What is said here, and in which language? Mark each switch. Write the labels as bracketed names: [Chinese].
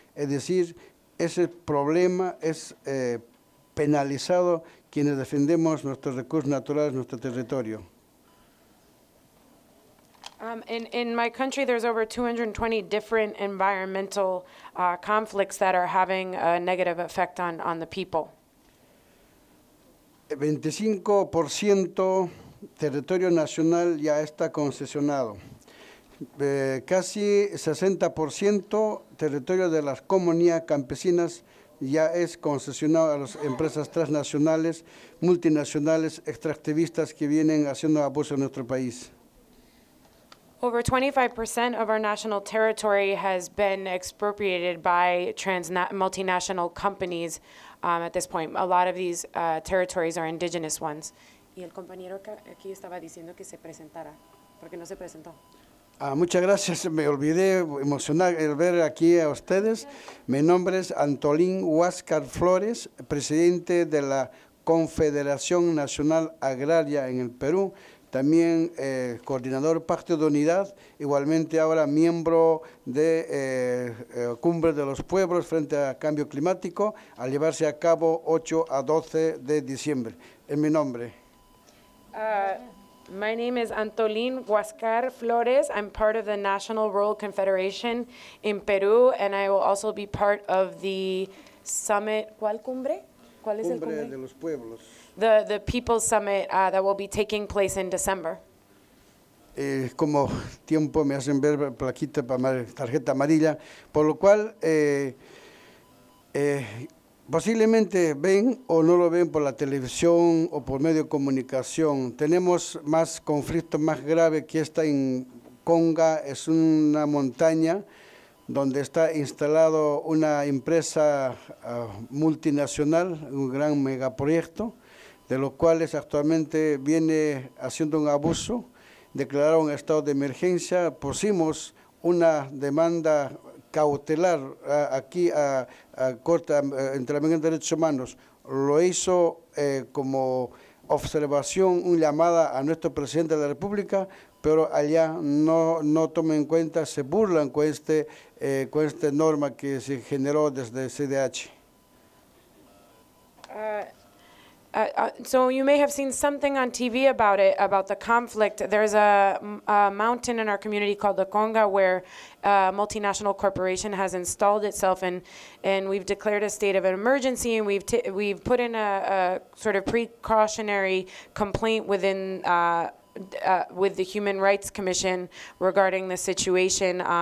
[Spanish] Es decir, ese problema es penalizado quienes defendemos nuestros recursos naturales, nuestro territorio. [English] In my country, there's over 220 different environmental conflicts that are having a negative effect on the people. [Spanish] 25% territorio nacional ya está concesionado. Casi 60% territorio de las comunidades campesinas ya es concesionado a las empresas transnacionales, multinacionales, extractivistas que vienen haciendo abuso en nuestro país. [English] Over 25% of our national territory has been expropriated by multinational companies at this point. A lot of these territories are indigenous ones. [Spanish] Y el compañero aquí estaba diciendo que se presentara, porque no se presentó. Ah, muchas gracias. Me olvidé emocionar el ver aquí a ustedes. Mi nombre es Antolin Huascar Flores, presidente de la Confederación Nacional Agraria en el Perú. También coordinador Pacto de Unidad, igualmente ahora miembro de Cumbre de los Pueblos frente al Cambio Climático, al llevarse a cabo 8 a 12 de diciembre. Es mi nombre. [English] My name is Antolin Huascar Flores. I'm part of the National Rural Confederation in Peru, and I will also be part of the summit. [Spanish] ¿Cuál cumbre? ¿Cuál es el cumbre? Cumbre de los Pueblos. [English] The People's Summit that will be taking place in December. [Spanish] Como tiempo me hacen ver plaquita, tarjeta amarilla, por lo cual posiblemente ven o no lo ven por la televisión o por medio de comunicación. Tenemos más conflicto, más grave que está en Conga, es una montaña donde está instalado una empresa multinacional, un gran megaproyecto, de los cuales actualmente viene haciendo un abuso, declararon estado de emergencia, pusimos una demanda cautelar aquí a Corte Interamericana de Derechos Humanos. Lo hizo como observación, una llamada a nuestro presidente de la República, pero allá no toman en cuenta, se burlan con esta norma que se generó desde CDH. [English] So you may have seen something on TV about it, about the conflict. There's a mountain in our community called the Conga where a multinational corporation has installed itself, and we've declared a state of an emergency, and we've put in a sort of precautionary complaint within with the Human Rights Commission regarding the situation.